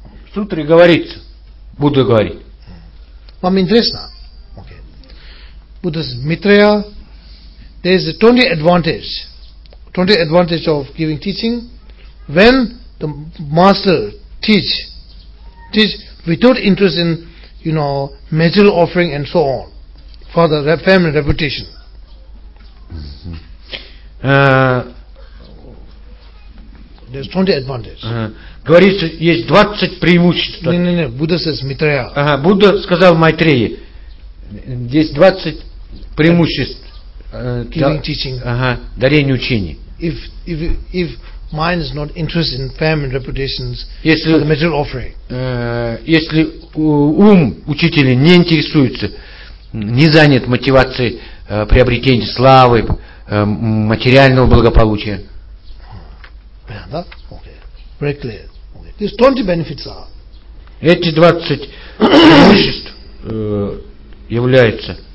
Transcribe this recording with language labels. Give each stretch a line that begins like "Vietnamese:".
Russian: В сутре говорится, Будда говорит. Вам интересно? Okay.
English: Buddha says, Maitreya, there is a 20 advantage of giving teaching. When the master teach without interest in, you know, material offering and so on, for the family reputation. There's 20 advantages.
Russian: Говорится, есть 20 преимуществ.
English: Не, Будда says Maitreya.
Russian: Будда сказал Майтрее. Есть 20 преимуществ.
English: Giving teaching.
Russian: Дарение учения.
English: If mind is not interested in fame and reputations, если, for the material offering.
Russian: Если ум учителя не интересуется, не занят мотивацией приобретения славы, материального благополучия.
English: Да? Okay. Very clear. Okay. These 20 benefits are.
Russian: Эти 20 преимуществ являются.